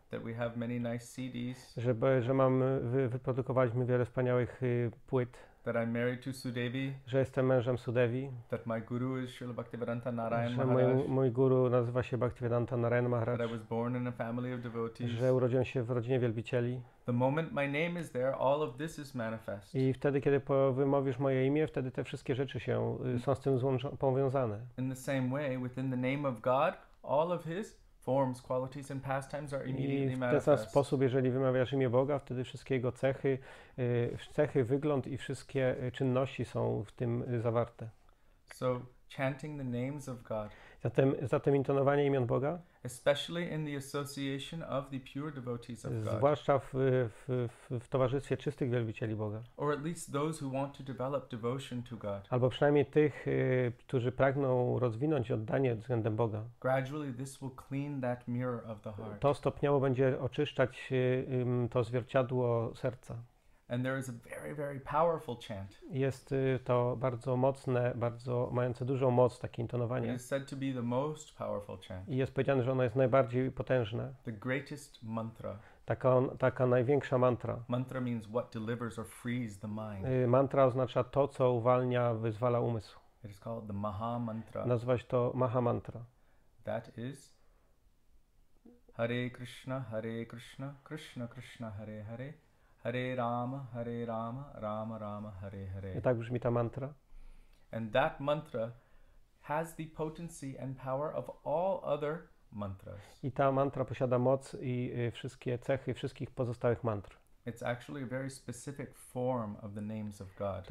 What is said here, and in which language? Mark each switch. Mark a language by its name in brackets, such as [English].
[English] that we have many nice CDs, [Polish] wyprodukowaliśmy wiele wspaniałych płyt, [English] that I'm married to Sudevi, [Polish] że jestem mężem Sudevi, [English] that my guru is Śrīla Bhaktivedanta Narayana [Polish] że [English] Maharaj, [Polish] mój guru nazywa się Bhaktivedanta Narayana Maharaj, [English] that I was born in a family of devotees, [Polish] że urodziłem się w rodzinie wielbicieli. [English] The moment my name is there, all of this is manifest. [Polish] I wtedy, kiedy wymówisz moje imię, wtedy te wszystkie rzeczy się są z tym powiązane. [English] In the same way, within the name of God, all of his forms, qualities and pastimes are immediately manifest. [Polish] I w ten sam sposób, jeżeli wymawiasz imię Boga, wtedy wszystkie jego cechy, wygląd i wszystkie czynności są w tym zawarte. [English] So, chanting the names of God. [Polish] Zatem intonowanie imion Boga, [English] especially in the association of the pure devotees of God. [Polish] Zwłaszcza w towarzystwie czystych wielbicieli Boga. [English] Or at least those who want to develop devotion to God. [Polish] Albo przynajmniej tych, którzy pragną rozwinąć oddanie względem Boga. [English] Gradually this will clean that mirror of the heart. [Polish] To stopniowo będzie oczyszczać to zwierciadło serca. [English] And there is a very, very powerful chant. [Polish] Jest to bardzo mocne, bardzo mające dużą moc takie intonowanie. [English] It is said to be the most powerful chant. [Polish] I jest powiedziane, że ono jest najbardziej potężne. [English] The greatest mantra. [Polish] Taka największa mantra. [English] Mantra means what delivers or frees the mind. [Polish] Mantra oznacza to, co uwalnia, wyzwala umysł. [English] It is called the Maha Mantra. [Polish] Nazywa się to Maha Mantra. [English] That is Hare Krishna, Hare Krishna, Krishna Krishna, Hare Hare. Hare Rama, Hare Rama, Rama Rama, Hare Hare. [Polish] I tak brzmi ta mantra. [English] And that mantra has the potency and power of all other mantras. [Polish] I ta mantra posiada moc i wszystkie cechy wszystkich pozostałych mantr. [English] It's actually a very specific form of the names of God.